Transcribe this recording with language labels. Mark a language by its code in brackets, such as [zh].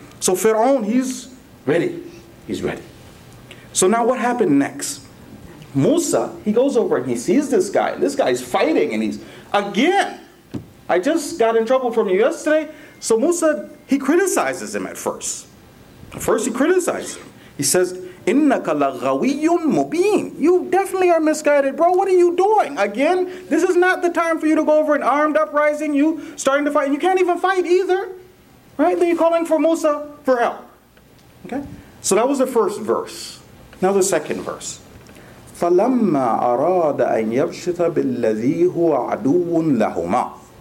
[en] So Fir'aun, he's ready. So now what happened next? Musa, he goes over and he sees this guy. This guy's fighting and he's, again, I just got in trouble from you yesterday. So Musa, he criticizes him at first. At first he criticizes him. He says, [ar] إِنَّكَ لَغَوِيٌّ مُبِينٌ. [en] You definitely are misguided, bro. What are you doing? Again, this is not the time for you to go over an armed uprising. You starting to fight. And you can't even fight either. Right? Then you're calling for Musa for help. Okay? So that was the first verse. Now the second verse. [ar] فَلَمَّا أَرَادَ أَنْ يَبْشِثَ بِالَّذِي هُوَ عَدُوٌ لَهُمَا.